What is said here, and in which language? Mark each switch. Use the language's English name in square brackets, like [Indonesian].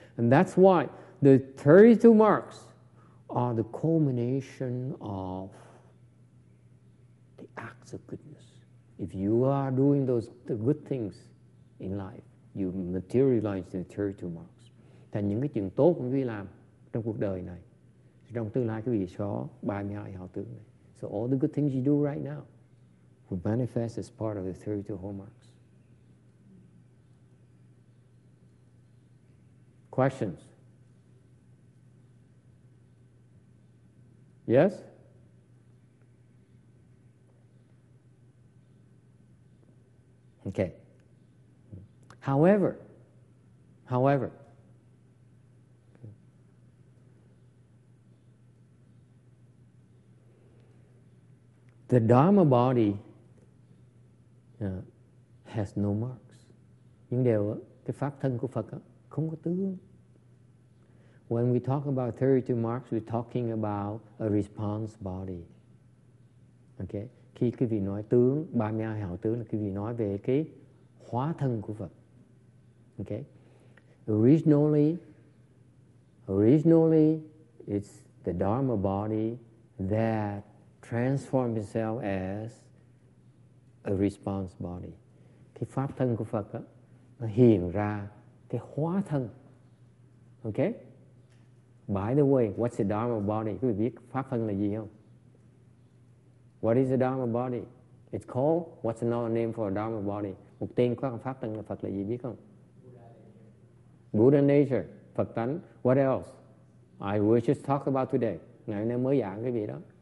[English] And that's why the 32 marks are the culmination of the acts of goodness. If you are doing those the good things in life, you materialize the 32 marks. [Vietnamese] Thành những cái chuyện tốt của quý vị làm trong cuộc đời này, trong tương lai quý vị có 32 hào tướng này. [English] So all the good things you do right now will manifest as part of the 32 hallmarks. Questions? Yes? Okay. However, the Dharma body has no marks. [Vietnamese] Nhưng đều cái pháp thân của Phật không có tướng. [English] When we talk about 32 marks, we're talking about a response body. Okay. [Vietnamese] Khi quý vị nói tướng, 32 hào tướng là quý vị nói về cái hóa thân của Phật. [English] Okay? Originally, it's the Dharma body that transforms itself as a response body. [Vietnamese] Cái pháp thân của Phật đó, nó hiện ra cái hóa thân. Okay? [English] By the way, what's the Dharma body? [Vietnamese] Quý vị biết pháp thân là gì không? [English] What is a Dharma body? It's called, what's another name for a Dharma body? [Vietnamese] Một tên của pháp thân là Phật là gì biết không? Buddha nature, Phật tánh. [English] What else? I will just talk about today. [Vietnamese] Ngày hôm nay mới giảng cái gì đó.